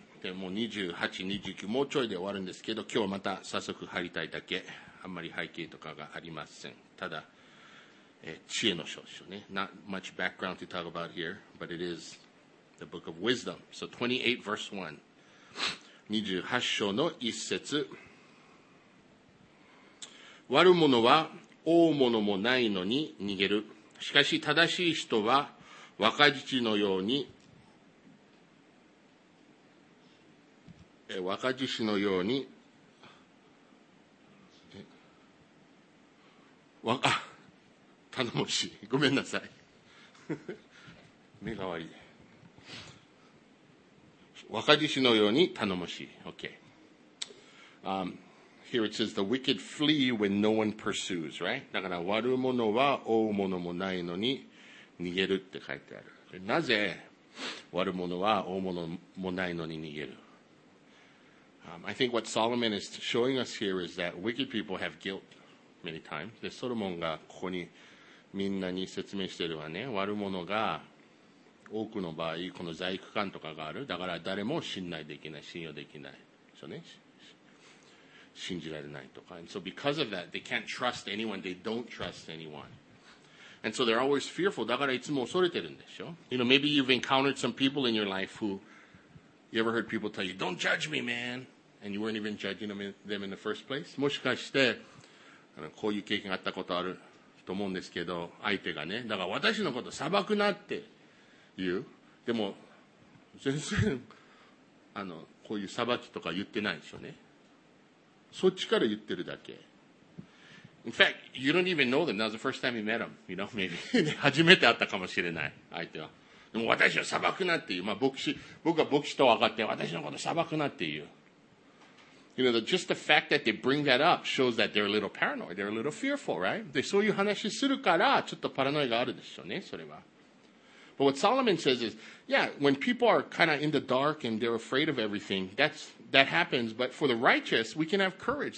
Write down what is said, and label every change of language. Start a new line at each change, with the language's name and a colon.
Japanese: でも28、29、もうちょいで終わるんですけど、今日はまた早速入りたいだけ。あんまり背景とかがありません。ただ、知恵の書ですよね。
English: Not much background to talk about here, but it is the book of wisdom. So 28 verse 1.
Japanese: 28章の一節。悪者は大物もないのに逃げる。しかし正しい人は若父のように若獅子のように頼もしい、ごめんなさい目が悪い、若獅子のように頼もしい。
English: OK、Here it says the wicked flee when no one pursues, right?
Japanese: だから悪者は追うものもないのに逃げるって書いてある。なぜ悪者は追うものもないのに逃げる。
English: I think what Solomon is showing us here is that wicked people have guilt many times.
Japanese: で、ソロモンがここにみんなに説明してるわね。悪者が多くの場合、この罪悪感とかがある。だから誰も信頼できない、信用できない。そうね。信じられないとか。
English: And so because of that, they can't trust anyone. They don't trust anyone. And so they're always fearful.
Japanese: だからいつも恐れてるんでしょ。
English: You know, maybe you've encountered some people in your life who... You ever heard people tell you, don't judge me, man? And you weren't even judging them in the first place?
Japanese: もしかして、こういう経験があったことあると思うんですけど、相手がね、だから私のこと裁くなって言う。でも、全然、こういう裁きとか言ってないでしょね。そっちから言ってるだけ。
English: In fact, you don't even know them. That was the first time you met them. You know, maybe.
Japanese: 初めて会ったかもしれない、相手は。でも私を裁くなっていう、まあ僕が牧師と分かって私のことを裁くなっていう。
English: You know, just the fact that they bring that up shows that they're a little paranoid, they're a little fearful, right?
Japanese: で、そういう話するからちょっとパラノイがあるでしょうね、それは。
English: But what Solomon says is, yeah, when people are kind of in the dark and they're afraid of everything, that happens, but for the righteous, we can have courage.